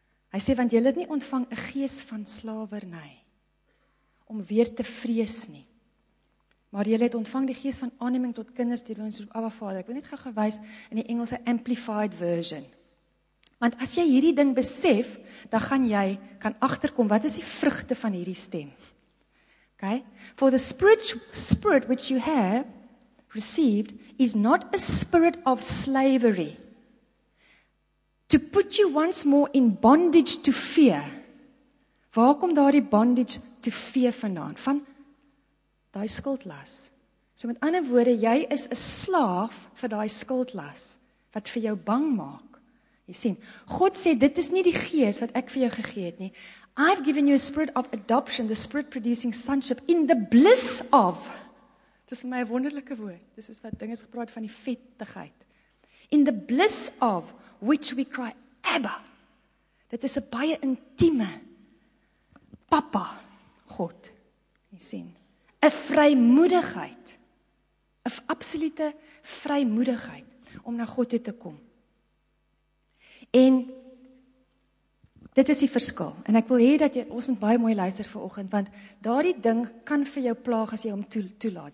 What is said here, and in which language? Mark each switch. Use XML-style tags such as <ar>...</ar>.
<af>Hy sê want julle het nie ontvang 'n gees van slawerny om weer te vrees nie. Maar julle het ontvang die gees van aanneming tot kinders deur ons Abba Vader. Ek wil net gou gewys in die Engelse</af> <en>amplified version.</en> <af>Want as jy hierdie ding besef, dan gaan jy kan agterkom wat is die vrugte van hierdie stem.</af> <en>Okay. For the spirit which you have received is not a spirit of slavery to put you once more in bondage to fear.</en> <af>Waar kom daardie</af> <en>bondage to fear</en> <af>vandaan? Van daai skuldlas. So met ander woorde, jy is 'n slaaf vir daai skuldlas wat vir jou bang maak. Jy sien, God sê dit is nie die gees wat ek vir jou gegee het nie.</af> <en>I've given you a spirit of adoption, the spirit producing sonship in the bliss of.</en> <af>Dis my wonderlike woord. Dis is wat ding is gepraat van die vettigheid.</af> <en>In the bliss of which we cry Abba.</en> <af>Dit is 'n baie intieme Papa God. Jy sien, 'n vrymoedigheid. 'n Absolute vrymoedigheid om na God toe te kom. En dit is die verskil. En ek wil hê dat jy, ons moet baie mooi luister vanoggend, want daardie ding kan vir jou plaag as jy hom toelaat.</af>